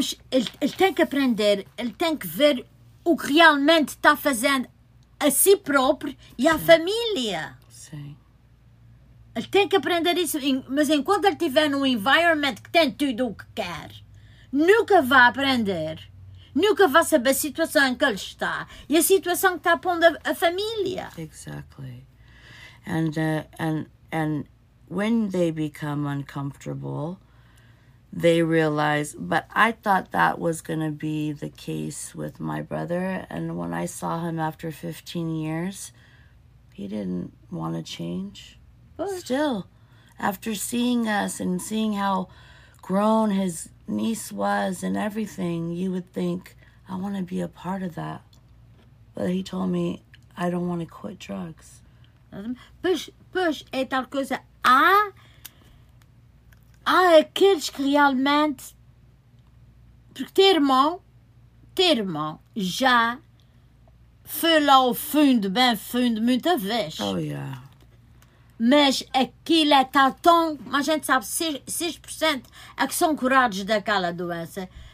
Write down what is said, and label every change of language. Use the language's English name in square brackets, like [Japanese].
[Portuguese] Ele tem que aprender, ele tem que ver o que realmente está fazendo a si próprio e à família. Sim. Ele tem que aprender isso, mas enquanto ele estiver num environment que tem tudo o que quer, nunca vai aprender, nunca vai saber a situação em que ele está e a situação que está pondo a família. [English] Exactly. And when they become uncomfortable, they realize, but I thought that was going to be the case with my brother. And when I saw him after 15 years, he didn't want to change. What? Still, after seeing us and seeing how grown his niece was and everything, you would think, I want to be a part of that. But he told me, I don't want to quit drugs. [Portuguese] Push, é tal coisa. Ah! Há aqueles que realmente, porque ter irmão já foi lá ao fundo, bem fundo, muita vez. [English] Oh, yeah. [Portuguese] Mas aquilo é tal tão, mas a gente sabe, 6% é que são curados daquela doença.